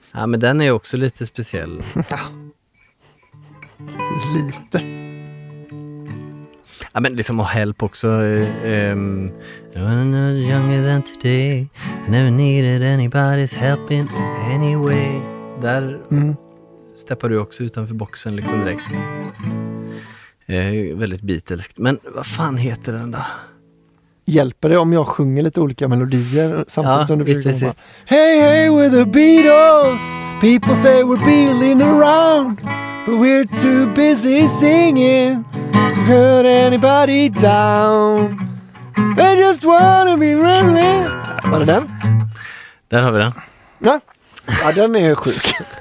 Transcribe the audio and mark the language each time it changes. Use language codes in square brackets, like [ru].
[sv] Ja, men den är ju också lite speciell. Lite. Ja, men liksom, och Help också. [en] I was younger than today. I never needed anybody's help in any way. [sv] Där steppar du också utanför boxen liksom direkt. Väldigt beatleskt. Men vad fan heter den då? Hjälper det om jag sjunger lite olika melodier samtidigt som du försöker komma? [en] Hey, hey, we're the Beatles. People say we're beatling around. But we're too busy singing to put anybody down. I just wanna be lonely. [sv] Var det den? Där har vi den. Ja, ja, den är sjuk.